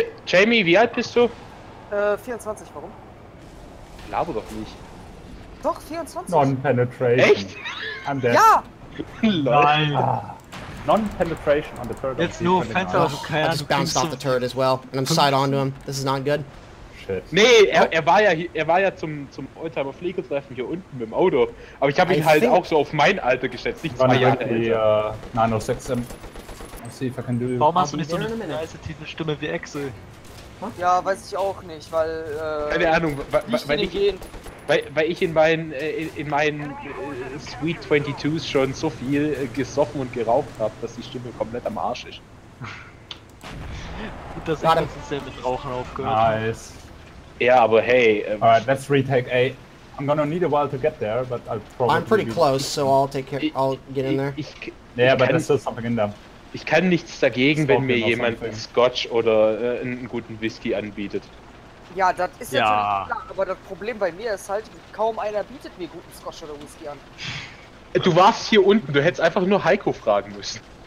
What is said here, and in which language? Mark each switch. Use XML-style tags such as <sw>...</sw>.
<de>Jamie, wie alt bist du? 24, warum? Glaube doch nicht. Doch, 24.</de> <en>Non-penetration.</en> <de>Echt?</de> <en>I'm dead.</en> <de>Ja! Nein!</de> <en>Non-penetration on the turret. It's no offense, I just bounced off the turret as well, and I'm side onto him. This is not good. Shit.</en> <de>Nee, er war ja zum Oldtimer Pflegetreffen hier unten mit dem Auto. Aber ich habe ihn halt auch so auf mein Alter geschätzt. Nicht zwei Jahre älter.</de> <en>906. Let's see if I can do.</en> <de>Warum hast du nicht so eine leise tiefe Stimme wie Axel? Ja, weiß ich auch nicht, weil. Keine Ahnung, weil ich in meinen Sweet 22s schon so viel gesoffen und geraucht habe, dass die Stimme komplett am Arsch ist. Gut, dass ich letztens sehr mit Rauchen aufgehört habe.</de> <en>Nice.</en> <de>Ja,</de> <en>yeah,</en> <de>aber hey.</de> <en>Alright, let's retake A. I'm gonna need a while to get there, but I'll probably. I'm pretty close, so I'll get in there. But there's still something in there.</en> <de>Ich kann nichts dagegen, wenn mir jemand einen Scotch oder einen guten Whisky anbietet. Ja, das ist natürlich klar, aber das Problem bei mir ist halt, kaum einer bietet mir guten Scotch oder Whisky an. Du warst hier unten, du hättest einfach nur Heiko fragen müssen.</de>